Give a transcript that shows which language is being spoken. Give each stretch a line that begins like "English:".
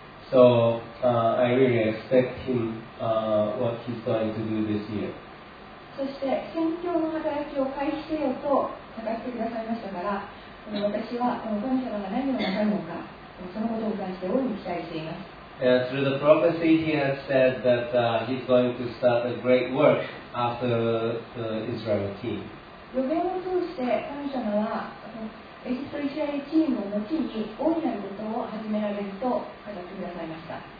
English: So I really expect him what he's going to do this year.
Japanese: そして宣教の働きを開始せよと語ってくださいましたから、私はこの神様が何をなさるのか、そのことに関して大いに期待しています。
English: And through the prophecy he has said that he's going to start a great work after the Israel team.
Japanese: 予言を通して神様はエジプトイスラエルチームを後に大いなることを始められると語ってくださいました。